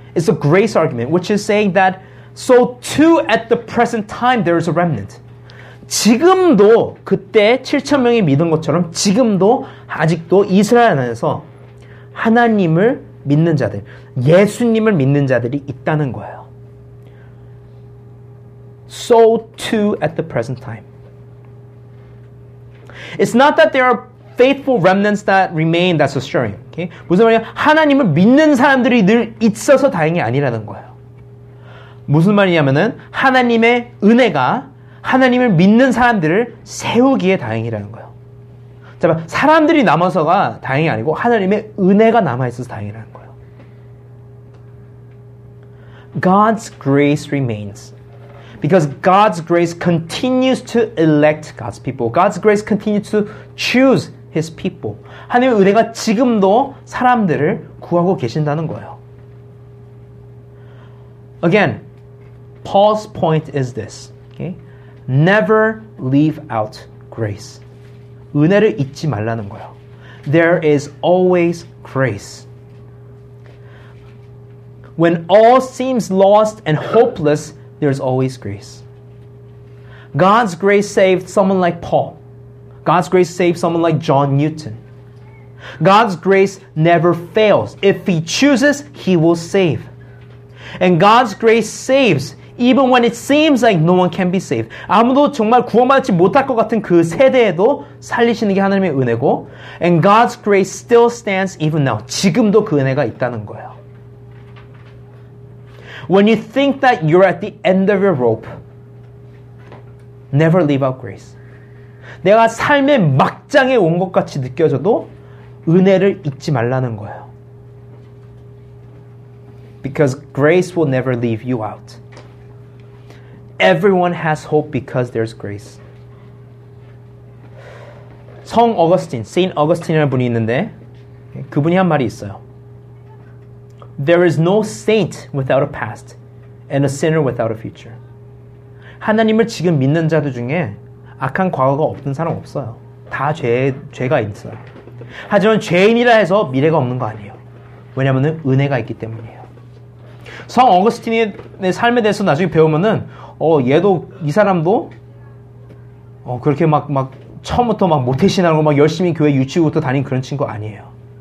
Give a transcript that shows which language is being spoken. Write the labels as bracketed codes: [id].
[en] It's a grace argument, which is saying that so too at the present time there is a remnant. [ko] 지금도 그때 7,000명이 믿은 것처럼 지금도 아직도 이스라엘 안에서 하나님을 믿는 자들, 예수님을 믿는 자들이 있다는 거예요. [en] So too at the present time. It's not that there are faithful remnants that remain that's assuring. Okay? [ko] 무슨 말이냐? 하나님을 믿는 사람들이 늘 있어서 다행이 아니라는 거예요. 무슨 말이냐면은 하나님의 은혜가 하나님을 믿는 사람들을 세우기에 다행이라는 거예요. 자, 사람들이 남아서가 다행이 아니고 하나님의 은혜가 남아있어서 다행이라는 거예요. [en] God's grace remains. Because God's grace continues to elect God's people. God's grace continues to choose His people. [ko] 하나님의 은혜가 지금도 사람들을 구하고 계신다는 거예요. [en] Again, Paul's point is this. Okay? Never leave out grace. [ko] 은혜를 잊지 말라는 거예요. [en] There is always grace. When all seems lost and hopeless, there's always grace. God's grace saved someone like Paul. God's grace saved someone like John Newton. God's grace never fails. If He chooses, He will save. And God's grace saves even when it seems like no one can be saved. [ko] 아무도 정말 구원받지 못할 것 같은 그 세대에도 살리시는 게 하나님의 은혜고 [en] And God's grace still stands even now. [ko] 지금도 그 은혜가 있다는 거예요. [en] When you think that you're at the end of your rope, never leave out grace. [ko] 내가 삶의 막장에 온 것 같이 느껴져도 은혜를 잊지 말라는 거예요. [en] Because grace will never leave you out. Everyone has hope because there's grace. [ko] 성 어거스틴, Saint Augustine이라는 분이 있는데 그분이 한 말이 있어요. [en] There is no saint without a past and a sinner without a future. [ko] 하나님을 지금 믿는 자들 중에 악한 과거가 없는 사람 없어요. 다 죄가 있어요. 하지만 죄인이라 해서 미래가 없는 거 아니에요. 왜냐하면 은혜가 있기 때문이에요. 성 어거스틴의 삶에 대해서 나중에 배우면은 얘도 이 사람도 그렇게 막 처음부터 막 모태신하고 막 열심히 교회 유치부터 다닌 그런 친구 아니에요.